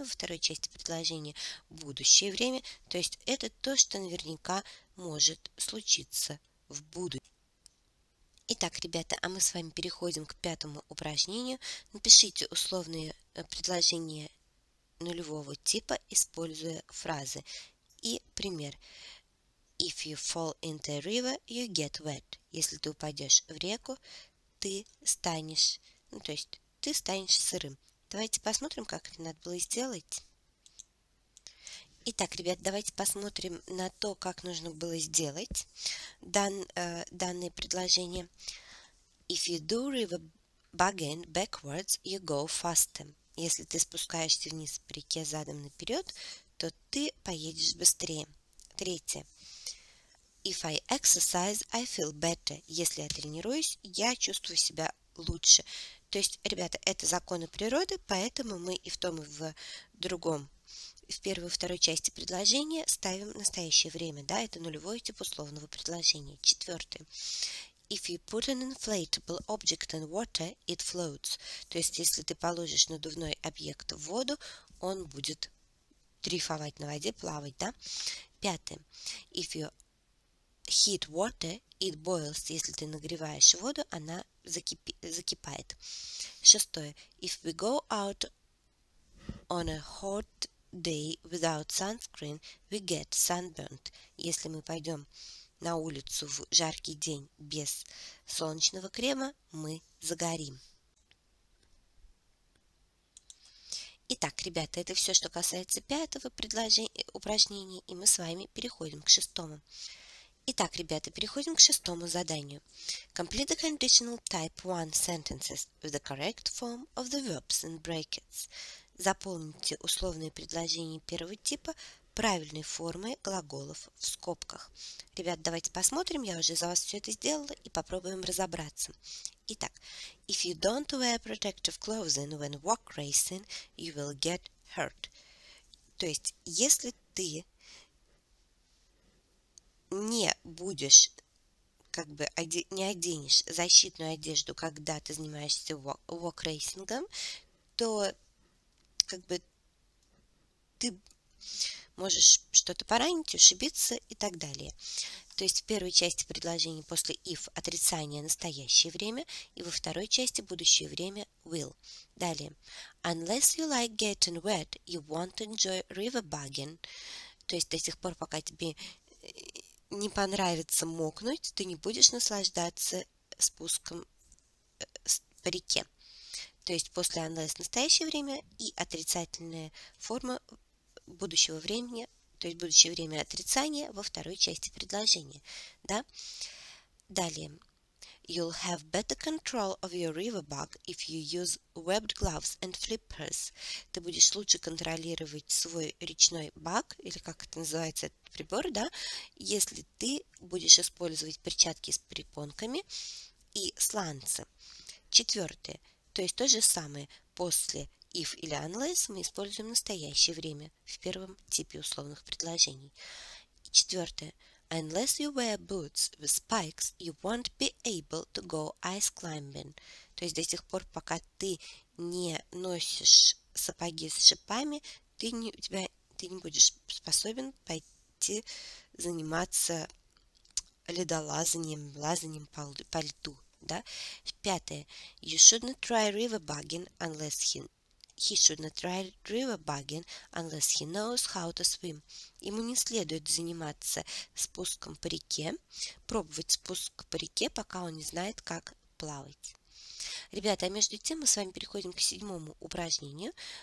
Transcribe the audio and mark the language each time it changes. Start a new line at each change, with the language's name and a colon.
Russian: Во второй части предложения будущее время. То есть, это то, что наверняка может случиться в будущем. Итак, ребята, а мы с вами переходим к пятому упражнению. Напишите условные предложения нулевого типа, используя фразы. И пример.
English: If you fall into a river, you get wet.
Russian: Если ты упадешь в реку, ты станешь, ну, то есть, ты станешь сырым. Давайте посмотрим, как это надо было сделать. Итак, ребята, давайте посмотрим на то, как нужно было сделать данное предложение.
English: If you do river bugging backwards, you go faster.
Russian: Если ты спускаешься вниз по реке задом наперед, то ты поедешь быстрее. Третье.
English: If I exercise, I feel better.
Russian: Если я тренируюсь, я чувствую себя лучше. То есть, ребята, это законы природы, поэтому мы и в том, и в другом, в первой и второй части предложения ставим настоящее время. Да, это нулевой тип условного предложения. Четвертый.
English: If you put an inflatable object in water, it floats.
Russian: То есть, если ты положишь надувной объект в воду, он будет дрейфовать на воде, плавать, да? Пятое.
English: If you heat water, it boils.
Russian: Если ты нагреваешь воду, она закипает. Шестое.
English: If we go out on a hot day without sunscreen, we get sunburned.
Russian: Если мы пойдем на улицу в жаркий день без солнечного крема, мы загорим. Итак, ребята, это все, что касается пятого упражнения, и мы с вами переходим к шестому. Итак, ребята, переходим к шестому заданию.
English: Complete the conditional type 1 sentences with the correct form of the verbs in brackets.
Russian: Заполните условные предложения первого типа правильной формой глаголов в скобках. Ребят, давайте посмотрим, я уже за вас все это сделала, и попробуем разобраться. Итак,
English: if you don't wear protective clothing when walk racing, you will get hurt.
Russian: То есть, если ты не будешь, как бы не оденешь защитную одежду, когда ты занимаешься вок-рейсингом, то как бы ты можешь что-то поранить, ушибиться и так далее. То есть в первой части предложения после if отрицание настоящее время, и во второй части будущее время will. Далее.
English: Unless you like getting wet, you won't enjoy river bugging.
Russian: То есть до тех пор, пока тебе не понравится мокнуть, ты не будешь наслаждаться спуском по реке. То есть после unless настоящее время и отрицательная форма будущего времени, то есть будущее время отрицания во второй части предложения. Да? Далее.
English: You'll have better control of your river bug if you use webbed gloves and flippers.
Russian: Ты будешь лучше контролировать свой речной баг, или как это называется, этот прибор, да, если ты будешь использовать перчатки с перепонками и сланцы. Четвертое. То есть то же самое. После if или unless мы используем настоящее время в первом типе условных предложений. И четвертое.
English: Unless you wear boots with spikes, you won't be able to go ice climbing.
Russian: То есть до тех пор, пока ты не носишь сапоги с шипами, ты не будешь способен пойти заниматься ледолазанием, лазанием по льду. Да? Пятое.
English: You shouldn't try river bugging unless he should not try river bugging unless he knows how to swim.
Russian: Ему не следует заниматься спуском по реке, пробовать спуск по реке, пока он не знает, как плавать. Ребята, а между тем мы с вами переходим к седьмому упражнению.